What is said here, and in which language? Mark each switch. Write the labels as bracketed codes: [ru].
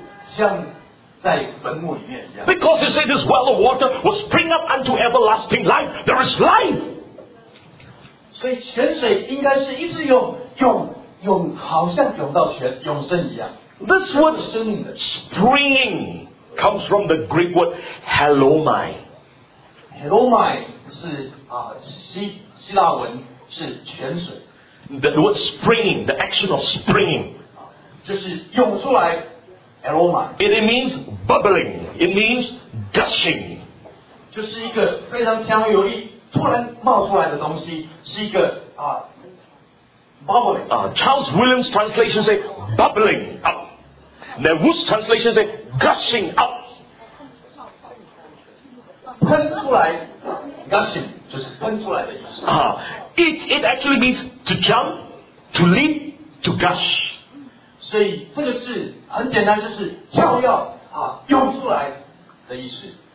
[zh] 有些人的生命好像死到一个程度，像在坟墓里面一样。 [en] Because you say this well of water will spring up unto everlasting life, there is life. [zh] 所以泉水应该是一直涌，好像涌到泉永生一样。 [en] This word springing comes from the Greek word helomai. [zh] Helomai 是希腊文是泉水。 [en] The word springing, the action of springing. [zh] 就是涌出来, helomai. [en] It means bubbling, it means gushing. [zh] 就是一个非常强有力 突然冒出来的东西是一个bubbling. [en] Charles Williams translation say bubbling up. The Wood's translation say gushing up. [zh] 喷出来, gushing, 就是喷出来的意思。 [en] It actually means to jump, to leap, to gush. [zh] 所以这个字很简单就是跳跃涌出来的意思。